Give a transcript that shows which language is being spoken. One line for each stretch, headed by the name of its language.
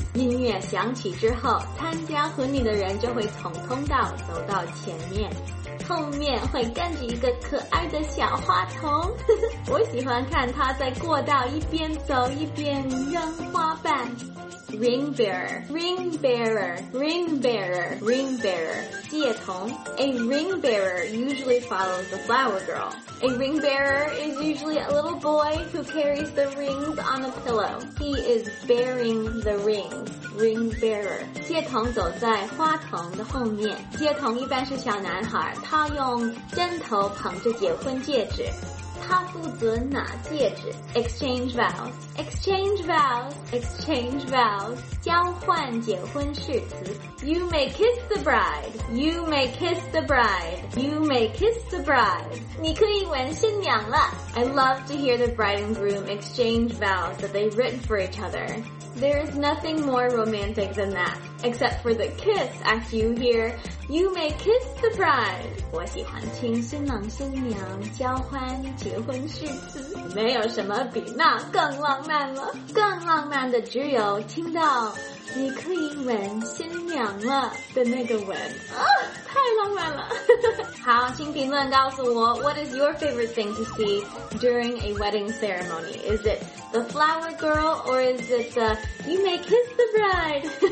Chinese: 音乐响起之后，参加婚礼的人就会从通道走到前面，后面会跟着一个可爱的小花童。我喜欢看他在过道一边走一边扔花瓣。
English: Ring bearer, ring bearer, ring bearer, ring bearer. 接童 A ring bearer usually follows the flower girl. A ring bearer is usually a little boy who carries the rings on a pillow. He is bearing the rings. Ring bearer
Chinese: 接童走在花童的后面，接童一般是小男孩，他用针头捧着结婚戒指，他负责拿戒指。
English: Exchange vows Exchange vows Exchange vows
Chinese: 交换结婚誓词。
English: You may kiss the bride You may kiss the bride You may kiss the bride
Chinese: 你可以吻新娘了。
English: I love to hear the bride and groom exchange vows that they've written for each otherThere is nothing more romantic than that, except for the kiss after you hear, you may kiss the bride.
Chinese: 我喜欢听新郎新娘交换结婚誓词。没有什么比那更浪漫了。更浪漫的只有听到你可以吻新娘了的那个吻。啊，太浪漫了。好，请评论告诉我
English: What is your favorite thing to see during a wedding ceremony? Is it the flower girl or is it the you may kiss the bride?